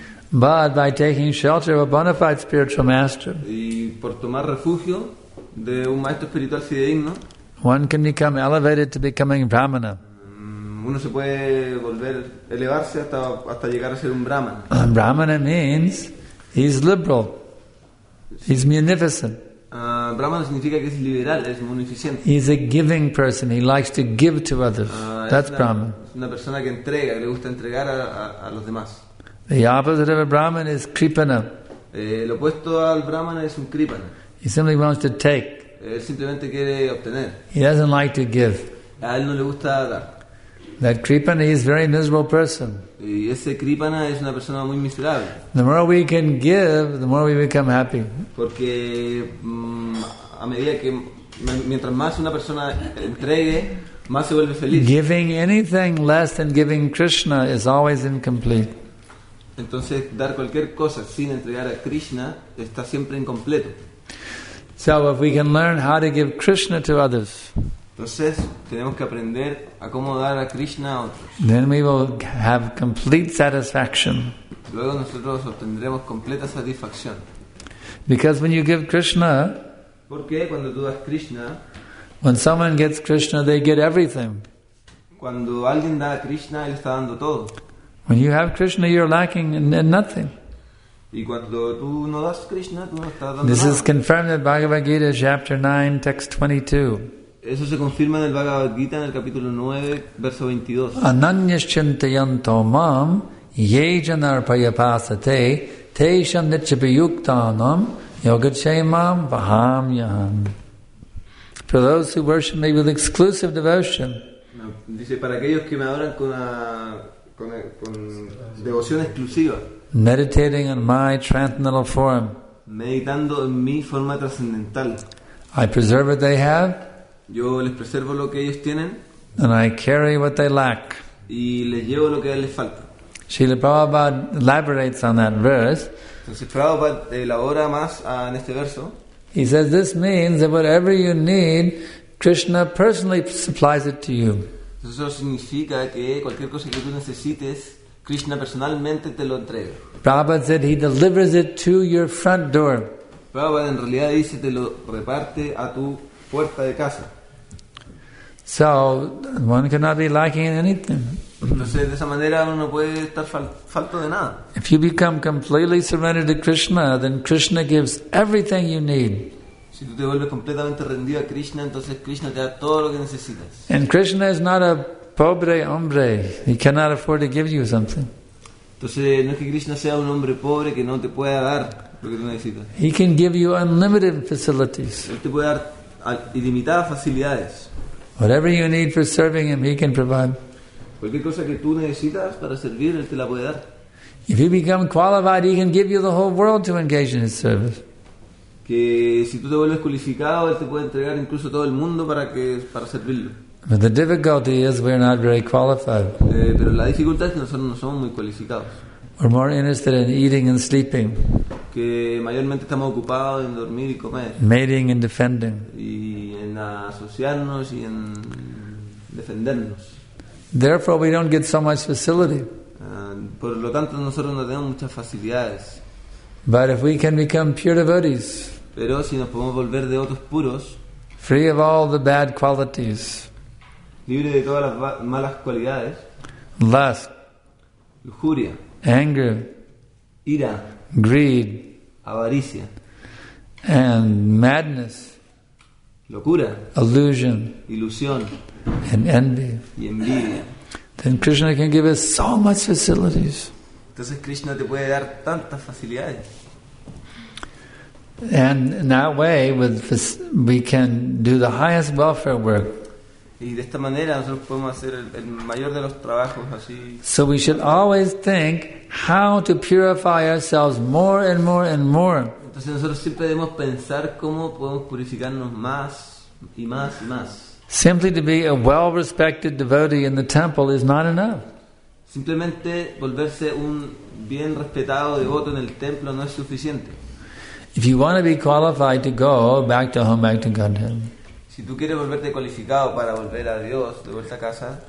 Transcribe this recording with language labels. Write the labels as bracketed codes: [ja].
[en] But by taking shelter of a bona fide spiritual master, [es] y por tomar refugio de un maestro espiritual fidedigno, [en] one can become elevated to becoming Brahmana. [es] Uno se puede volver elevarse hasta llegar a ser un Brahmana. [en] Brahmana means he's liberal. He's munificent. [es] Brahmana significa que es liberal, es munificente. [en] He's a giving person. He likes to give to others. That's Brahman. [es] Una persona que entrega, que le gusta entregar a los demás. [en] The opposite of a Brahman is Kripana. [es] Lo opuesto al Brahman es un Kripana. [en] He simply wants to take. [es] Él simplemente quiere obtener. [en] He doesn't like to give. [es] A él no le gusta dar. [en] That Kripana is a very miserable person. [es] Y ese Kripana es una persona muy miserable. [en] The more we can give, the more we become happy. [es] Porque a medida que mientras más una persona entregue, más se vuelve feliz. [en] Giving anything less than giving Krishna is always incomplete. [es] Entonces, dar cualquier cosa sin entregar a Krishna está siempre incompleto. [en] So if we can learn how to give Krishna to others, [es] entonces tenemos que aprender a cómo dar a Krishna a otros. [en] Then we will have complete satisfaction. [es] Luego nosotros obtendremos completa satisfacción. [en] Because when you give Krishna, [es] porque cuando tú das Krishna, [en] when someone gets Krishna, they get everything. [es] Cuando alguien da a Krishna, él está dando todo. [en] When you have Krishna, you're lacking in nothing. [es] Y cuando tú no das Krishna, tú no estás dando [en] this [es] nada. [en] Is confirmed in Bhagavad Gita, chapter 9, text 22. [es] Eso se confirma en el Bhagavad Gita, en el capítulo 9, verso 22. [sa] Ananyaschintayanto mam, yejanarpayapasate, teishanichapayuktanam, yogachayamam, vahamyaham. [en] For those who worship me with exclusive devotion. [es] Dice, para aquellos que me adoran con una... con devoción exclusiva. [en] Meditating on my transcendental form. [es] Meditando en mi forma trascendental. [en] I preserve what they have. [es] Yo les preservo lo que ellos tienen. [en] And I carry what they lack. [es] Y les llevo lo que les falta. [en] Srila Prabhupada elaborates on that verse. [es] Entonces Prabhupada elabora más en este verso. [en] He says this means that whatever you need, Krishna personally supplies it to you. [es] Eso significa que cualquier cosa que tú necesites, Krishna personalmente te lo entrega. [en] Prabhupada said he delivers it to your front door. [es] Prabhupada en realidad dice te lo reparte a tu puerta de casa. [en] So one cannot be lacking in anything. [es] Entonces de esa manera uno no puede estar falto de nada. [en] If you become completely surrendered to Krishna, then Krishna gives everything you need. [es] Si tú te vuelves completamente rendido a Krishna, entonces Krishna te da todo lo que necesitas. [en] And Krishna is not a [es] pobre hombre. [en] He cannot afford to give you something. [es] Entonces no es que Krishna sea un hombre pobre que no te pueda dar lo que tú necesitas. [en] He can give you unlimited facilities. [es] Él te puede dar ilimitadas facilidades. [en] Whatever you need for serving him, he can provide. [es] Cualquier cosa que tú necesitas para servir, él te la puede dar. [en] If you become qualified, he can give you the whole world to engage in his service. [es] Que si tú te vuelves cualificado, él te puede entregar incluso todo el mundo para servirlo. [en] But the difficulty is we're not very qualified. [es] Pero la dificultad es que nosotros no somos muy cualificados. [en] We're more interested in eating and sleeping. [es] Que mayormente estamos ocupados en dormir y comer. [en] Mating and defending. [es] Y en asociarnos y en defendernos. [en] Therefore, we don't get so much facility. [es] Por lo tanto, nosotros no tenemos muchas facilidades. [en] But if we can become pure devotees, [es] pero si nos podemos volver de otros puros, [en] free of all the bad qualities, [es] libre de todas las malas cualidades, [en] lust, [es] lujuria, [en] anger, [es] ira, [en] greed, [es] avaricia, [en] and madness, [es] locura, [en] illusion, [es] ilusión, [en] and envy, [es] y envidia, [en] then Krishna can give us so much facilities. [es] Entonces Krishna te puede dar tantas facilidades. [en] And in that way, we can do the highest welfare work. [es] Y de esta manera nosotros podemos hacer el mayor de los trabajos así. [en] So we should always think how to purify ourselves more and more and more. [es] Entonces nosotros siempre debemos pensar cómo podemos purificarnos más y más y más. [en] Simply to be a well-respected devotee in the temple is not enough. [es] Simplemente volverse un bien respetado devoto en el templo no es suficiente. [en] If you want to be qualified to go back to home, back to Godhead, [es] si tú quieres volverte cualificado para volver a Dios, de vuelta a casa,